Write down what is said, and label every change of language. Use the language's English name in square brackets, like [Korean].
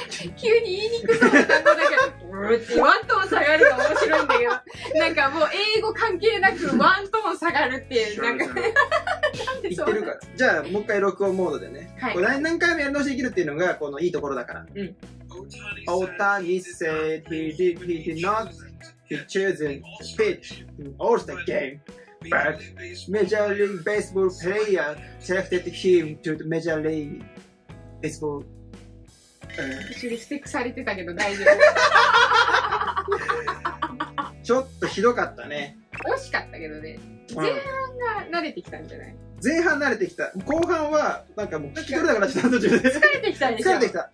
[Japanese] 急に言いにくそうな単語だけど、ってワントーン下がるの面白いんだけど、なんかもう英語関係なくワントーン下がるっていう、なんか、ね、言ってるから。じゃあもう一回録音モードでね。はい、これ何回もやり直しできるっていうのが、このいいところだから。うん。 [English] オータニッセー、he did not he chose to pitch in all the game. But Major League Baseball player selected him to the Major League Baseball. [Japanese] 私リスペックされてたけど大丈夫。ちょっとひどかったね。惜しかったけどね。前半が慣れてきたんじゃない？前半慣れてきた。後半は、なんかもう聞き取れなくなっちゃった途中で。疲れてきたんでしょ？疲れてきた。